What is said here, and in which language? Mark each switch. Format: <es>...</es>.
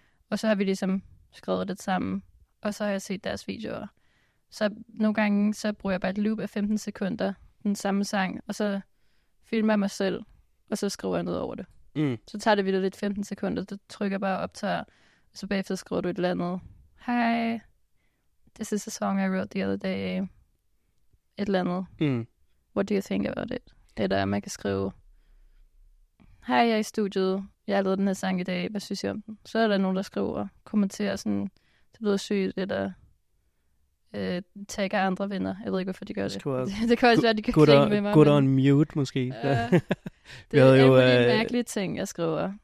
<da>Og så har vi ligesom skrevet det sammen. Og så har jeg set deres videoer. Så nogle gange, så bruger jeg bare et loop af 15 sekunder. Den samme sang. Og så filmer jeg mig selv, og så skriver jeg noget over det. Mm. Så tager det videre lidt 15 sekunder, så trykker bare optager, og så bagefter skriver du et eller andet.</da> <en>Hej, this is a song I wrote the other day.</en> <da>Et eller andet. Mm.</da> <en>What do you think about it?</en> <da>Det der, man kan skrive. Hej, jeg er i studiet. Jeg har lavet den her sang i dag. Hvad synes jeg om den? Så er der nogen, der skriver og kommenterer sådan, det lyder sygt, eller tagger andre venner. Jeg ved ikke, hvorfor de gør det. Det kan også være, de kan klinge med mig. Good on mute, måske. Det er jo en mærkelig ting, jeg skriver.</da>